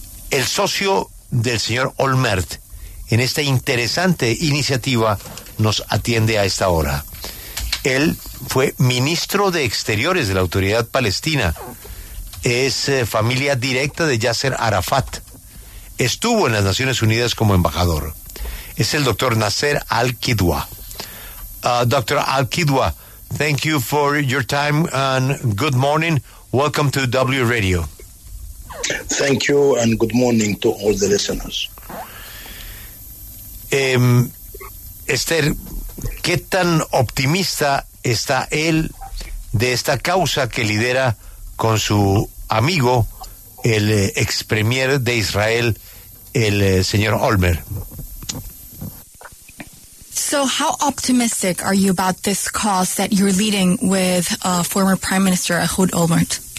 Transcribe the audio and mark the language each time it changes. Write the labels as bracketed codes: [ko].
[es] El socio del señor Olmert en esta interesante iniciativa nos atiende a esta hora. Él fue ministro de Exteriores de la Autoridad Palestina. Es familia directa de Yasser Arafat. Estuvo en las Naciones Unidas como embajador. Es el doctor Nasser al-Quds. Dr. [en] al-Quds, thank you for your time and good morning. Welcome to W Radio. Thank you and good morning to all the listeners. [es] Esther, ¿qué tan optimista está él de esta causa que lidera con su amigo, el ex-premier de Israel, el señor Olmert? [en] So how optimistic are you about this cause that you're leading with former Prime Minister Ehud Olmert?